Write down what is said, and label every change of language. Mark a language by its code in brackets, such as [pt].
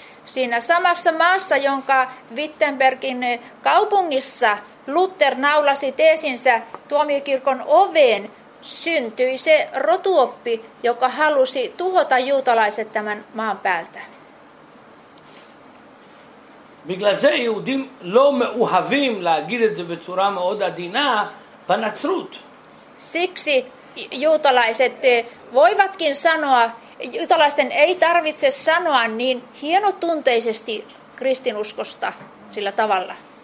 [fi] Siinä samassa maassa, jonka Wittenbergin kaupungissa Luther naulasi teesinsä tuomiokirkon oveen, syntyi se rotuoppi, joka halusi tuhota juutalaiset tämän maan päältä. [he] בגלל זה יהודים לא מאוהבים להגיד את זה בצורה מאוד עדינה בנצרות. [fi] Siksi juutalaiset voivatkin sanoa, juutalaisten ei tarvitse sanoa niin hienotunteisesti kristinuskosta sillä tavalla.